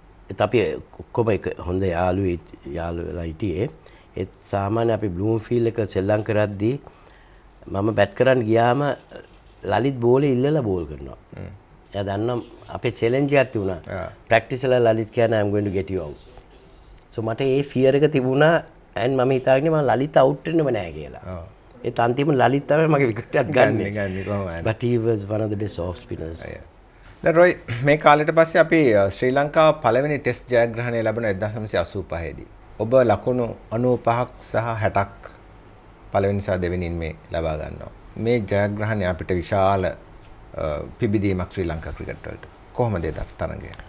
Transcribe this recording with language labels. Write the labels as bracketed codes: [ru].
[si] ඒත් අපි ඔක්කොම එක හොඳ යාළුවෙලා හිටියේ. ඒත් සාමාන්‍ය අපි බ්ලූම් ෆීල්ඩ් එක සෙල්ලම් කරද්දී මම බැට් කරන්න ගියාම ලලිත් බෝලේ ඉල්ලලා බෝල් කරනවා. එයා දන්නම් අපේ චැලෙන්ජ් එකක් තිබුණා. ප්‍රැක්ටිස් වල ලලිත් කියනවා [en] I'm going to get you out. [si] සෝ මට ඒ ෆියර් එක තිබුණා ඇන් මම හිතාගන්නේ මම ලලිත අවුට් වෙන්නම නෑ කියලා. ඔව්. ඒත් අන්තිම ලලිත තමයි මගේ විකට් එකක් ගන්න. ගන්නේ කොහමද? [en] But he was one of the best off spinners. [si] දැන් රොයි මේ කාලෙට පස්සේ අපි ශ්‍රී ලංකාව පළවෙනි ටෙස්ට් ජයග්‍රහණය ලැබුණ 1985 දී. ඔබ ලකුණු 95ක් සහ 60ක් පළවෙනි සහ දෙවෙනින් මේ ලබා ගන්නවා. මේ ජයග්‍රහණය අපිට විශාල පිබිදීමක් ශ්‍රී ලංකා ක්‍රිකට් වලට. කොහොමද ඒ තරඟය?